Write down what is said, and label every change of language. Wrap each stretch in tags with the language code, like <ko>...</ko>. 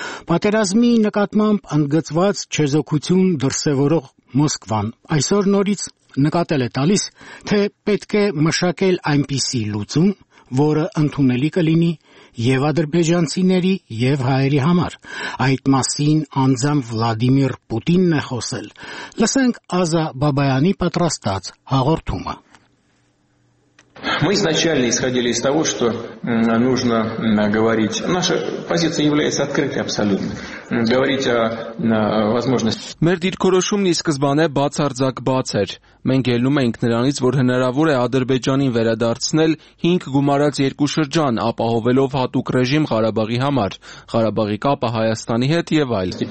<hy>Պատերազմի նկատմամբ ընդգծված չեզոքություն դրսևորող Մոսկվան այսօր նորից նկատել է տալիս, թե պետք է մշակել այնպիսի լուծում, որը ընդունելի կլինի և ադրբեջանցիների, և հայերի համար։ Այդ մասին անձամբ Վլադիմիր Պուտինն է խոսել։ Լսենք Ազա Բաբայանի պատրաստած հաղորդումը։</hy> <ru>Мы изначально исходили из того, что нужно говорить. Наша позиция является открытой абсолютно. Говорить о возможности.</ru> <hy>Մեր դիրքորոշումն ի սկզբանե բացարձակ բաց էր։ Մենք ելնում ենք նրանից, որ հնարավոր է Ադրբեջանին վերադարձնել 5 գումարած 2 շրջան, ապահովելով հատուկ ռեժիմ Ղարաբաղի համար, Ղարաբաղի կապը Հայաստանի հետ եւ այլ։</hy>